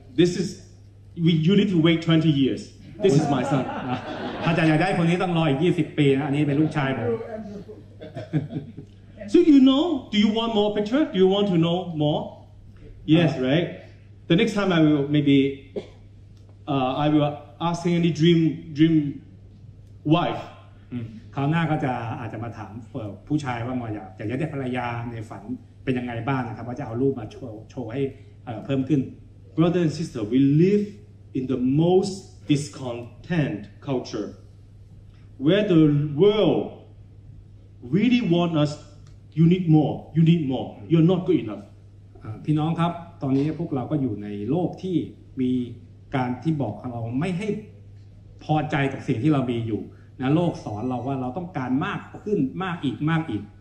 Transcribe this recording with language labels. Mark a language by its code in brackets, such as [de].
[en] This is you need to wait 20 years This is my son [th] ถ้าจะอยากได้คนนี้ต้องรออีก20ปีนะอันนี้เป็นลูกชายผม [en] So you know, do you want more picture? Do you want to know more? Yes, right? The next time I will maybe, I will ask any dream wife. [th] คราวหน้าก็จะอาจจะมาถามผู้ชายว่ามอยากจะได้ภรรยาในฝันเป็นยังไงบ้างนะครับว่าจะเอารูปมาโชว์ให้เพิ่มขึ้น [en] Brother and sister, we live in the most discontent culture. where the world really want us you need more you're not good enough [th] พี่น้องครับตอนนี้พวกเราก็อยู่ในโลกที่มีการที่บอกเราไม่ให้พอใจกับสิ่งที่เรามีอยู่นะโลกสอนเราว่าเราต้องการมากขึ้นมากอีกมากอีก